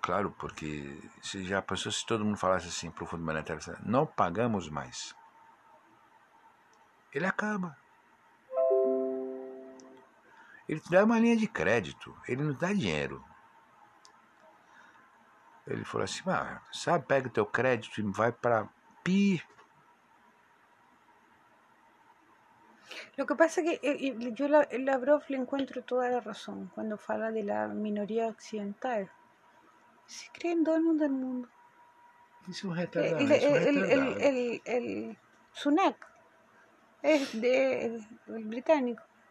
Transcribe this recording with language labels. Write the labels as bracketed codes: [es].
[pt] claro, porque se já pensou se todo mundo falasse assim para o Fundo Monetário Internacional: não pagamos mais. Ele acaba. Ele te dá uma linha de crédito, ele não dá dinheiro. Ele falou assim: ah, sabe, pega o teu crédito e vai para pi. [es] Lo que pasa es que yo Lavrov le encuentro toda la razón cuando habla de la minoría occidental. Si creen dueños del mundo. [pt] Isso é um retardado, isso é um retardado. [es] El Sunak es de el británico.